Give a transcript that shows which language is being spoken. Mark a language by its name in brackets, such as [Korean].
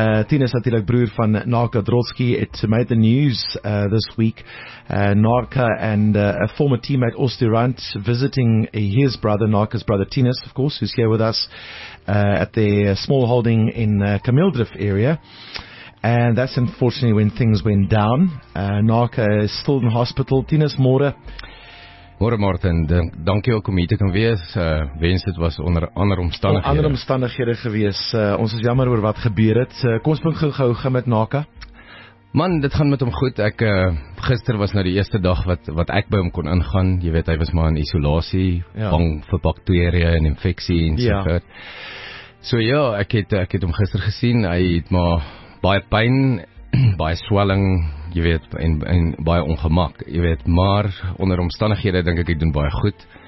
[Afrikaans] Tinus natuurlik broer van Naka Drotsky. [English] It made the news this week. Naka and a former teammate Osterrand visiting his brother, Naka's brother Tinus, of course, who's here with us at their small holding in Kameeldrift area. And that's unfortunately when things went down. Naka is still in hospital. Tinus, môre. [Afrikaans] Môre, Martin. Dankie ook om hier te kan wees. Wens dit was onder ander omstandighede. Onder ander omstandighede gewees. Ons is jammer oor wat gebeur het. Kom ons begin gou met Naka. Man, dit gaan met hom goed. Ek gister was nou die eerste dag wat ek by hom kon ingaan. Jy weet, hy was maar in isolasie, bang vir bakterieë en infeksie en so voort. So ja, ek het hom gister gesien. Hy het maar baie pyn, baie swelling, jy weet, en baie ongemak, jy weet, maar onder omstandighede dink ek hy doen baie goed.